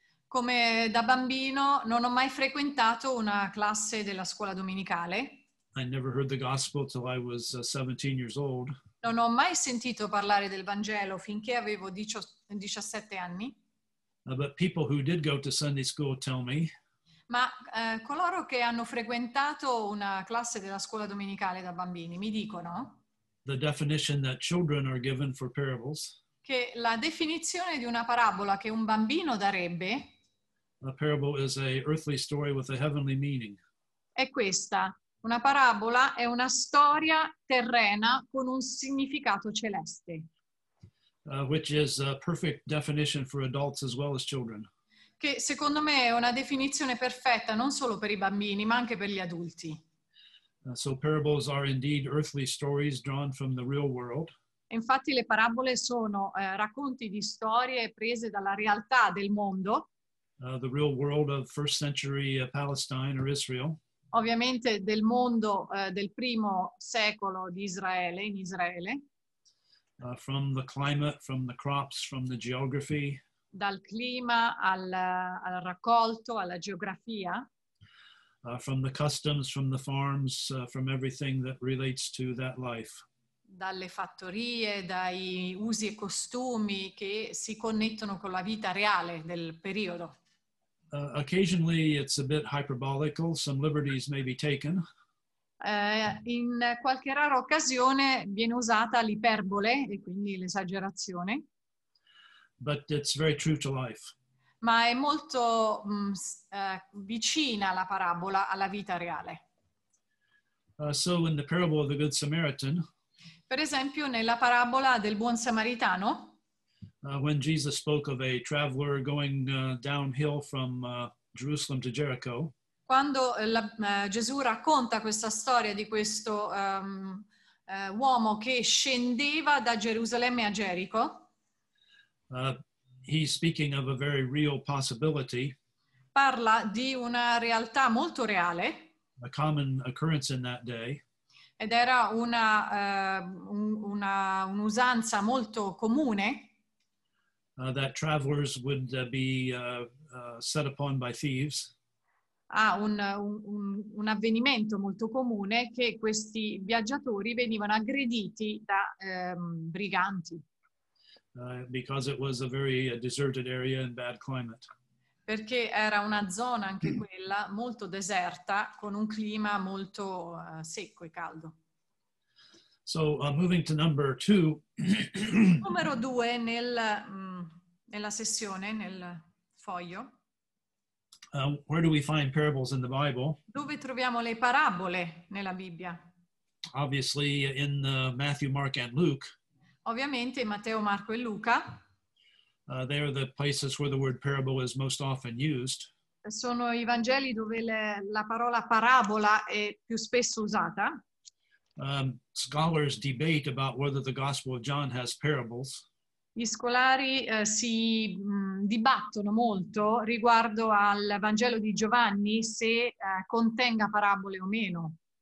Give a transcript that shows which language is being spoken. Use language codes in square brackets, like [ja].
[it] Come da bambino non ho mai frequentato una classe della scuola domenicale. [en] I never heard the gospel till I was 17 years old. [it] Non ho mai sentito parlare del Vangelo finché avevo 17 anni. [en] But people who did go to Sunday school tell me. [it] Ma coloro che hanno frequentato una classe della scuola domenicale da bambini mi dicono. [en] The definition that children are given for parables. [it] Che la definizione di una parabola che un bambino darebbe. [en] A parable is an earthly story with a heavenly meaning. [it] È questa. Una parabola è una storia terrena con un significato celeste. [en] Which is a perfect definition for adults as well as children. [it] Che secondo me è una definizione perfetta non solo per i bambini ma anche per gli adulti. [en] So parables are indeed earthly stories drawn from the real world. [it] Infatti le parabole sono racconti di storie prese dalla realtà del mondo. [en] The real world of first century Palestine or Israel. [it] Ovviamente del mondo del primo secolo di Israele, in Israele. [en] From the climate, from the crops, from the geography. [it] Dal clima al raccolto, alla geografia. [en] From the customs, from the farms, from everything that relates to that life. [it] Dalle fattorie, dai usi e costumi che si connettono con la vita reale del periodo. [en] Occasionally it's a bit hyperbolical, some liberties may be taken. [it] In qualche rara occasione viene usata l'iperbole e quindi l'esagerazione. [en] But it's very true to life. [it] Ma è molto vicina la parabola alla vita reale. [en] So in the parable of the Good Samaritan. [it] Per esempio nella parabola del buon samaritano. [en] When Jesus spoke of a traveler going downhill from Jerusalem to Jericho. [it] Quando Gesù racconta questa storia di questo uomo che scendeva da Gerusalemme a Gerico. [en] He's speaking of a very real possibility. [it] Parla di una realtà molto reale. [en] A common occurrence in that day. [it] Ed era un'usanza molto comune. [en] That travelers would be set upon by thieves. [it] Un avvenimento molto comune che questi viaggiatori venivano aggrediti da briganti. [en] Because it was a very deserted area and bad climate. [it] Perché era una zona anche quella molto deserta con un clima molto secco e caldo. [en] So moving to number two. [it] Numero due nella sessione, nel foglio. [en] Where do we find parables in the Bible? [it] Dove troviamo le parabole nella Bibbia? [en] Obviously in Matthew, Mark and Luke. [it] Ovviamente Matteo, Marco e Luca. [en] They are the places where the word parable is most often used. [it] Sono i Vangeli dove la parola parabola è più spesso usata. [en] Scholars debate about whether the Gospel of John has parables. [it] Gli scolari si dibattono molto riguardo al Vangelo di Giovanni se contenga parabole o meno.